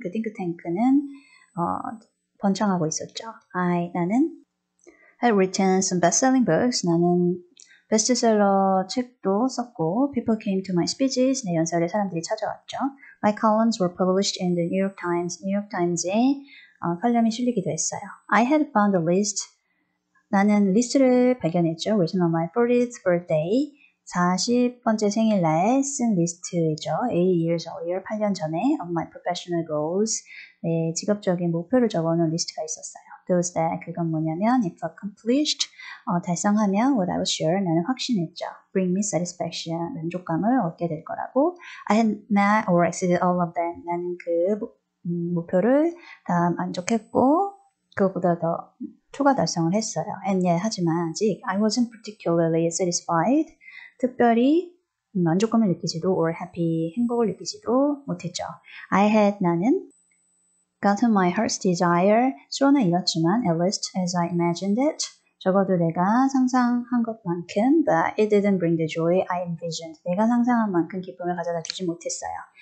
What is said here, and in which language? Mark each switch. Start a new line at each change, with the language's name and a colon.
Korean: 그 띵크탱크는 번창하고 있었죠. 나는
English: had written some best-selling books.
Korean: 나는 베스트셀러 책도 썼고,
English: people came to my speeches.
Korean: 내 연설에 사람들이 찾아왔죠.
English: My columns were published in the New York Times.
Korean: 뉴욕타임즈에 칼럼이 실리기도 했어요.
English: I had found a list.
Korean: 나는 리스트를 발견했죠.
English: Written on my 40th birthday.
Korean: 40번째 생일날 쓴 리스트죠.
English: 8 years earlier,
Korean: 8년 전에
English: of my professional goals,
Korean: 내 직업적인 목표를 적어놓은 리스트가 있었어요.
English: Those that,
Korean: 그건 뭐냐면
English: if accomplished,
Korean: 달성하면
English: what I was sure,
Korean: 나는 확신했죠.
English: Bring me satisfaction,
Korean: 만족감을 얻게 될 거라고.
English: I had met or exceeded all of them.
Korean: 나는 그 목표를 다 만족했고 그것보다 더 초과 달성을 했어요.
English: And yet,
Korean: 하지만 아직
English: I wasn't particularly satisfied.
Korean: 특별히 만족감을 느끼지도
English: or happy
Korean: 행복을 느끼지도 못했죠.
English: I had
Korean: 나는
English: gotten my heart's desire
Korean: 소원을 이뤘지만
English: at least as I imagined it
Korean: 적어도 내가 상상한 것만큼
English: but it didn't bring the joy I envisioned
Korean: 내가 상상한 만큼 기쁨을 가져다 주지 못했어요.